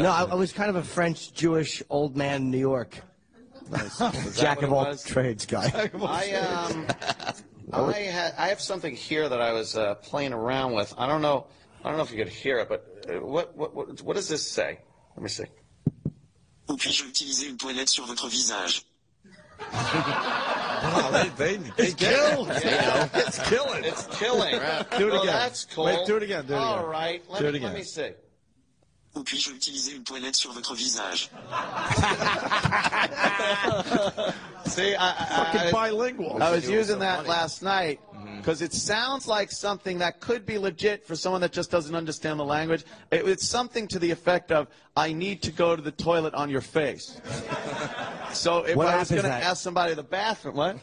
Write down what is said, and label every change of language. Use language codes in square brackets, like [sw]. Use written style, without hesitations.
[en] no, I was kind of a French Jewish old man, New York, jack of all trades guy. I have something here that I was playing around with. I don't know if you could hear it, but what does this say? Let me see. [fr] Où puis-je utiliser une poignette sur votre visage? [en] It's killing. Do it again. That's cool. Wait, do it again. Do it again. All right. Let me see. [fr] Où puis-je utiliser une poignette sur votre visage? [en] See, Fucking bilingual. I was using that last night because it sounds like something that could be legit for someone that just doesn't understand the language. It's something to the effect of, I need to go to the toilet on your face. So if what I was going to ask somebody the bathroom, what?